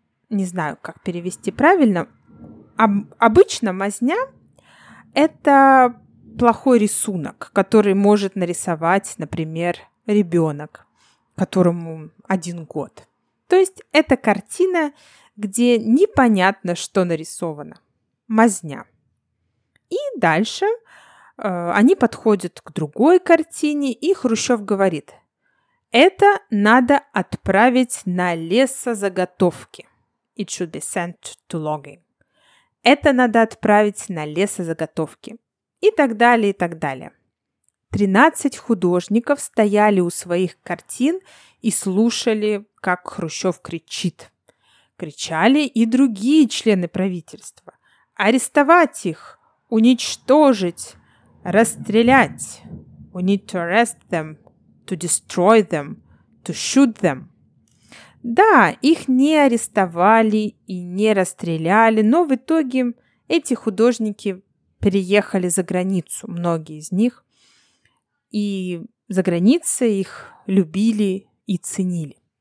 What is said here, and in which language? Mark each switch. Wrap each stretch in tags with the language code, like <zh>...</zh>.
<ru>Не знаю, как перевести правильно. Обычно мазня – это плохой рисунок, который может нарисовать, например, ребенок, которому один год. То есть эта картина где непонятно, что нарисовано. Мазня. И дальше они подходят к другой картине, и Хрущев говорит: «Это надо отправить на лесозаготовки».</ru> <en>It should be sent to logging.</en> <ru>«Это надо отправить на лесозаготовки». И так далее, и так далее. 13 художников стояли у своих картин и слушали, как Хрущев кричит. Кричали и другие члены правительства. Арестовать их, уничтожить, расстрелять.</ru> <en>We need to arrest them, to destroy them, to shoot them.</en> <ru>Да, их не арестовали и не расстреляли, но в итоге эти художники переехали за границу, многие из них. И за границей их любили и ценили.</ru>